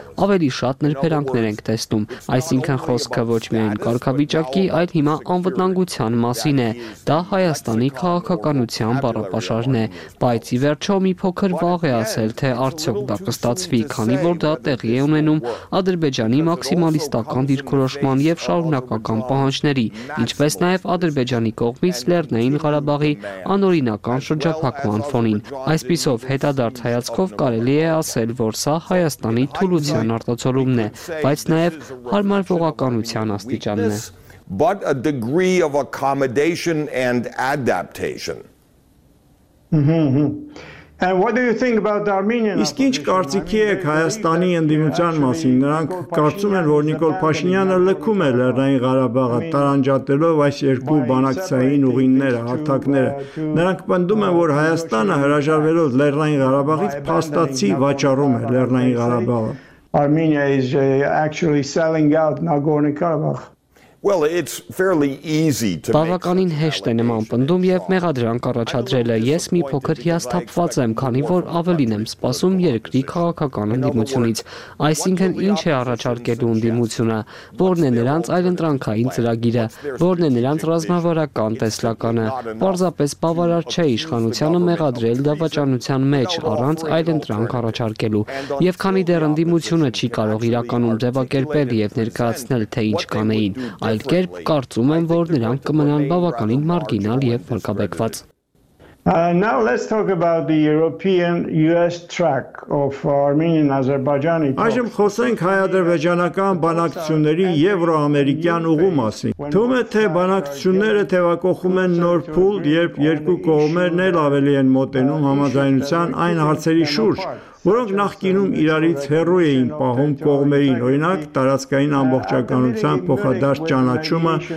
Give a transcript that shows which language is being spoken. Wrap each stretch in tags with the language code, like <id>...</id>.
<hy>ավելի շատ նրբերանգներ ենք տեսնում, այսինքն խոսքը ոչ միայն կարգավիճակի, այլ հիմա անվտանգության մասին է, դա Հայաստանի քաղաքականության բառապաշարն է, բայց ի վերջո մի փոքր վաղ է ասել, թե արդյոք դա կստացվի, քանի որ դա տեղի է ունենում Ադրբեջանի մաքսիմալիստական դիրքորոշման և շարունակական պահանջների, ինչպես նաև Ադրբեջանի կողմից Լեռնային Ղարաբաղի անօրինական շրջափակման ֆոնին։ Այսպիսով, հետադարձ հայացքով կարելի է ասել, որ սա Հայաստանի թուլության արտացոլումն է, բայց նաև հարմարվողականության աստիճանն է։</hy> <en>But a degree of accommodation and adaptation. And what do you think about the Armenian?</en> <hy>Իսկ ինչ կարծիքի եք Հայաստանի ընդդիմության մասին? Նրանք կարծում են, որ Նիկոլ Փաշինյանը լքում է Լեռնային Ղարաբաղը, տարանջատելով այս երկու բանակցային ուղիները, հարթակները։ Նրանք պնդում են, որ Հայաստանը հրաժարվելով Լեռնային Ղարաբաղից փաստացի վաճառում է Լեռնային Ղարաբաղը։</hy> <en>Armenia is actually selling out Nagorno-Karabakh. Well, it's fairly easy to make.</en> <hy>Բավականին հեշտ է նման պնդում եւ մեղադրանք առաջադրելը։ Ես մի փոքր հիասթափված եմ, քանի որ ավելին եմ սպասում երկրի քաղաքական ընդդիմությունից։ Այսինքն, ինչ է առաջարկելու ընդդիմությունը, որն է նրանց այլընտրանքային ծրագիրը, որն է նրանց ռազմավարական տեսլականը։ Պարզապես բավարար չէ իշխանությանը մեղադրել դավաճանության մեջ առանց այլընտրանք առաջարկելու, եւ քանի դեռ ընդդիմությունը չի կարող իրականում ձևակերպել եւ ներկայացնել, թե ինչ կանեին, այլ կերպ կարծում եմ, որ նրանք կմնան բավականին մարգինալ եւ փրկաբեկված։</hy> <en>Now let's talk about the European-US track of Armenian-Azerbaijani talks.</en> <hy>Այժմ խոսենք հայ-ադրբեջանական բանակցությունների եվրո-ամերիկյան ուղու մասին։ Թվում է, թե բանակցությունները թևակոխում են նոր փուլ, երբ երկու կողմերն էլ ավելի են մոտենում համաձայնության այն հարցերի շուրջ, որոնք նախկինում իրարից հեռու էին պահում կողմերին, օրինակ՝ տարածքային ամբողջականության փոխադարձ ճանաչումը,</hy>